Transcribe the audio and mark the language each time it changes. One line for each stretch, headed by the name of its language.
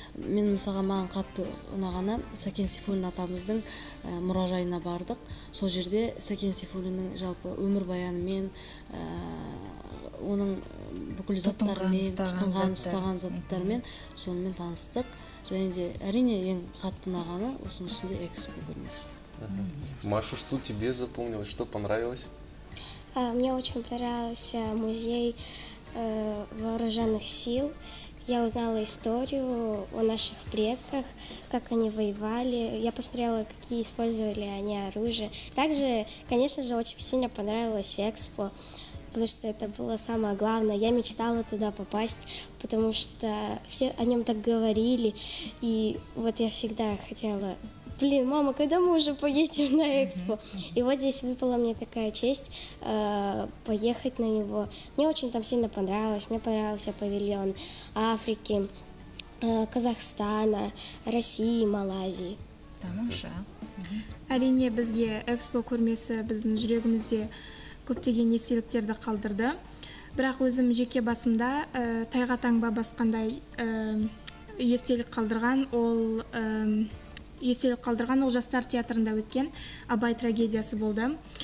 Kazakh: Мен мысалға маған қатты ұнағаны Сәкен Сейфуллин атамыздың мұражайына бардық. Сол жерде Сәкен Сейфуллиннің жалпы өмір баянымен, оның бүкіл заттарымен, тұтынған ұстаған заттарымен сонымен таныстық. Және де әрине ең қатты ұнағаны осының ішінде экспо көрмесі.
Russian: Маша, что тебе запомнилось, что понравилось? Мне очень понравился музей вооруженных сил. Я узнала историю о наших предках, как они воевали. Я посмотрела, какие использовали они оружие. Также, конечно же, очень сильно понравилось экспо, потому что это было самое главное. Я мечтала туда попасть, потому что все о нем так говорили. И вот я всегда хотела... Блин, мама, когда мы уже поедем на экспо? И вот здесь выпала мне такая честь поехать на него. Мне очень там сильно понравилось. Мне понравился павильон Африки, Казахстана, России, Малайзии.
Kazakh: Тамаша. Әрине, бізге экспо көрмесі біздің жүрегімізде көптеген естеліктерді қалдырды. Бірақ өзім жеке басымда тайға таңба басқандай естелік қалдырған ол... естелік қалдырған ол жастар театрында өткен Абай трагедиясы болды.